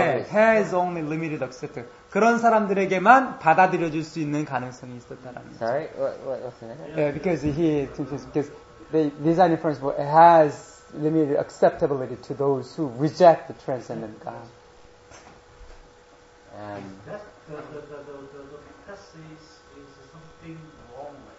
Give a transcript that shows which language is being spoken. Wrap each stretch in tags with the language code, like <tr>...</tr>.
<en>Has only limited acceptability.</en> <ko>그런 사람들에게만 받아들여질 수 있는 가능성이 있었다라는 거죠.</ko> <en>Sorry, what's that? Yeah, because the design inference has limited acceptability to those who reject the transcendent God. That the test is something wrong.</en>